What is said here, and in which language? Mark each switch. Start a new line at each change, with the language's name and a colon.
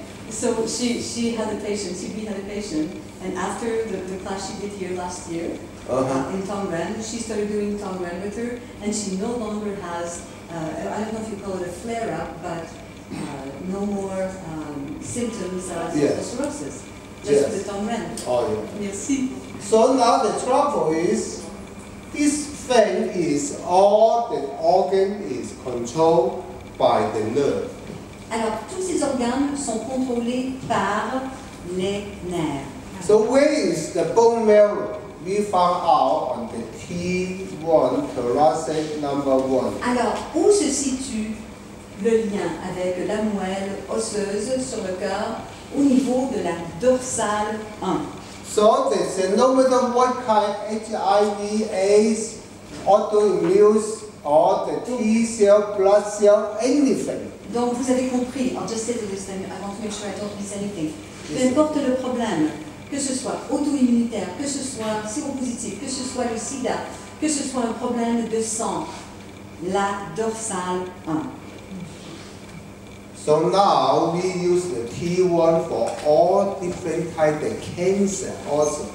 English: So she had a patient, Sylvie had a patient, and after the class she did here last year in Tong Ren, she started doing Tong Ren with her, and she no longer has, I don't know if you call it a flare-up, but no more symptoms of osteoporosis. Just with the Tong Ren. Oh, yeah.
French: Merci.
English: So now the trouble is, this thing is all the organ is controlled by the nerve.
French: Alors, tous ces organes sont contrôlés par les nerfs.
English: So where is the bone marrow? We found out on the T1, thoracic number 1.
French: Alors, où se situe le lien avec la moelle osseuse sur le corps au niveau de la dorsale 1?
English: So they said, no matter what kind, HIV, AIDS, autoimmune, or the T cell, blood cell, anything.
French: Donc vous avez compris,
English: I'll just say this thing,
French: avant de faire attention à l'insanité. Peu importe le problème, que ce soit auto-immunitaire, que ce soit séropositif, que ce soit le sida, que ce soit un problème de sang, la dorsale 1.
English: So So now we use the T1 for all different types of cancer also.